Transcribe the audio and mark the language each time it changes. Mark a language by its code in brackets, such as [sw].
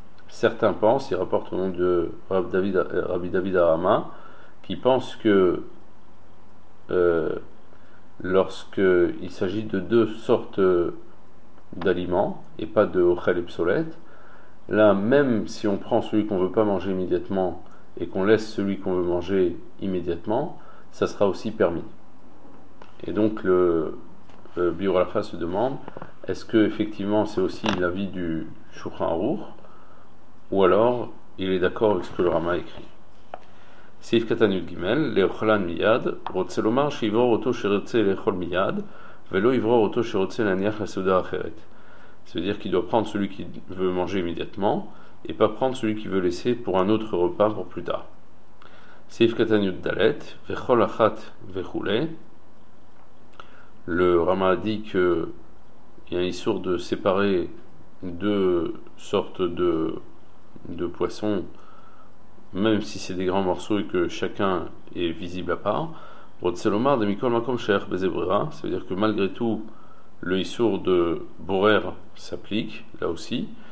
[fr] Certains pensent, il rapporte au nom de Rabbi David Arama, qui pense que lorsqu'il s'agit de deux sortes d'aliments et pas de ochel et psolet, là même si on prend celui qu'on ne veut pas manger immédiatement et qu'on laisse celui qu'on veut manger immédiatement, ça sera aussi permis. Et donc le Biur Halakha se demande, est-ce que effectivement c'est aussi l'avis du Shulchan Aruch ou alors il est d'accord avec ce que le Rama écrit. [he] סעיף קטן י"ג, לאוכלן מיד, רוצה לומר שיברור אותו שרוצה לאכול מיד, ולא יברור אותו שרוצה להניח לסעודה אחרת. [fr] Ça veut dire qu'il doit prendre celui qui veut manger immédiatement, et pas prendre celui qui veut laisser pour un autre repas pour plus tard. [he] סעיף קטן י"ד, וכל אחת וכולי. [fr] Le Rama a dit qu'il y a un issur de séparer deux sortes de poissons, même si c'est des grands morceaux et que chacun est visible à part. [he] Rotselomar de Mikol Makom Sher Bezebrera, [fr] ça veut dire que malgré tout, le issour de Borer s'applique, là aussi.